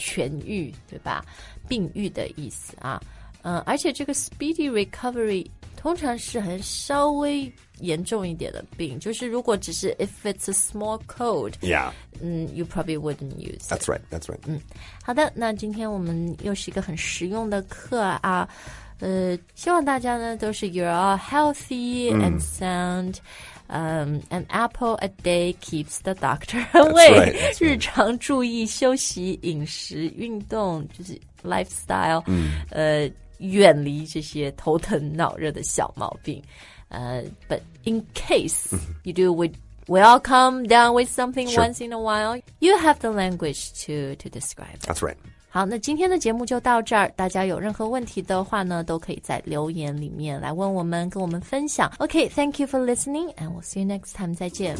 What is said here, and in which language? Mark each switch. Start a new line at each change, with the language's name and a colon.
Chinese: 痊愈对吧病愈的意思啊、而且这个
English: speedy recovery
Chinese: 通常是很稍微严重一点的病就是如果只是
English: If it's a small cold Yeah、 You probably wouldn't use That's right That's right、
Chinese: 好的那今天我们又是一个很实用的课啊、希望大家呢都是
English: You're all healthy、
Chinese: mm.
English: and sound、An apple a day keeps the doctor away That's right, that's right.
Chinese: 日常注意休息饮食运动就是 lifestyle、
English: mm.
Chinese: 远离这些头疼脑热的小毛病
English: but in case you do, we all come down with something、 sure. once in a while. You have the language to describe. That's right.
Chinese: 好，那今天的节目就到这儿。大家有任何问题的话呢，都可以在留言里面来问我们，跟我们分享。
English: Okay, thank you for listening, and we'll see you next time.
Chinese: 再见。